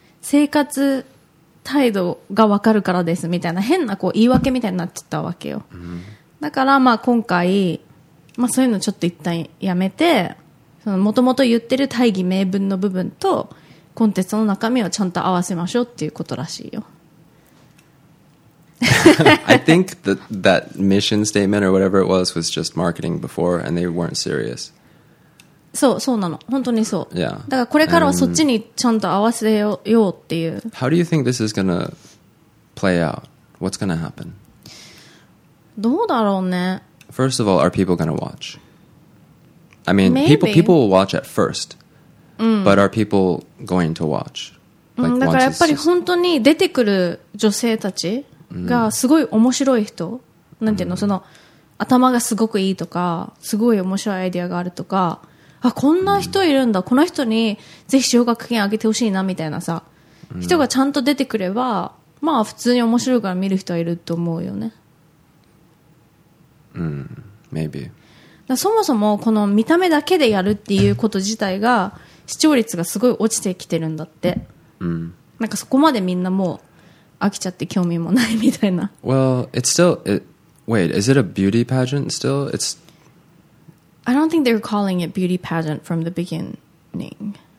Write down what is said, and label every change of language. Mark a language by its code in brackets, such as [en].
[ja] 生活、態度が分かるからですみたいな変なこう言い訳みたいになっちゃったわけよ、うん、だからまあ今回、まあ、そういうのちょっと一旦やめてその元々言ってる大義名分の部分とコンテストの中身をちゃんと合わせましょうっていうことらしいよ。 [en] I think that mission statement or whatever it was just marketing before and they weren't serious. [ja] そう、そうなの。本当にそう。 [en] Yeah. [ja] だからこれからはそっちにちゃんと合わせようっていう。 [en] How do you think this is gonna play out? What's gonna happen? [ja] どうだろうね。 [en] First of all, are people gonna watch? I mean,、 Maybe. people will watch at first,、 [ja] うん、 [en] but are people going to watch? [ja] Like,、うん、だからやっぱり本当に出てくる女性たちがすごい面白い人、うん、なんていうの、その頭がすごくいいとか、すごい面白いアイデアがあるとか、あ、こんな人いるんだ、うん、この人にぜひ奨学金あげてほしいなみたいなさ、うん、人がちゃんと出てくればまあ普通に面白いから見る人はいると思うよね。うん、 [en] maybe。 [ja] だそもそもこの見た目だけでやるっていうこと自体が視聴率がすごい落ちてきてるんだって、うん、なんかそこまでみんなもう飽きちゃって興味もないみたいな。 [en] Well, it's still wait, is it a beauty pageant still? It's I don't think they're calling it beauty pageant from the beginning.